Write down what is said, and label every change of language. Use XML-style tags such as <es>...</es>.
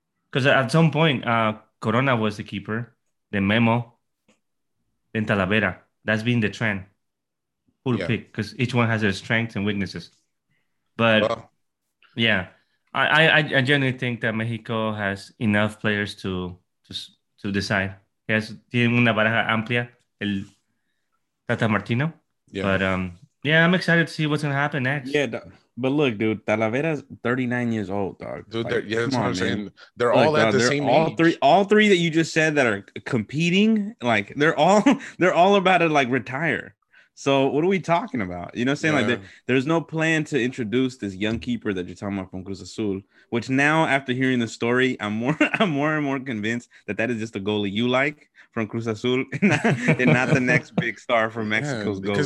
<en>Because at some point, Corona was the keeper, then Memo, then Talavera. That's been the trend. Who to pick? Because each one has their strengths and weaknesses. But I generally think that Mexico has enough players to decide.</en> <es>Yes, tiene una baraja amplia, el Tata Martino.</es> <en>Yeah. But I'm excited to see what's gonna happen next. Yeah, but look, dude, Talavera's 39 years old, dog. Dude, like, that's what I'm saying. They're look, all at dog, the same all age. All three that you just said that are competing, like they're all about to like retire. So what are we talking about? You know what I'm saying? Yeah. Like there's no plan to introduce this young keeper that you're talking about from Cruz Azul, which now after hearing the story, I'm more and more convinced that is just a goalie you like from Cruz Azul and not the next big star from Mexico's goalie.</en>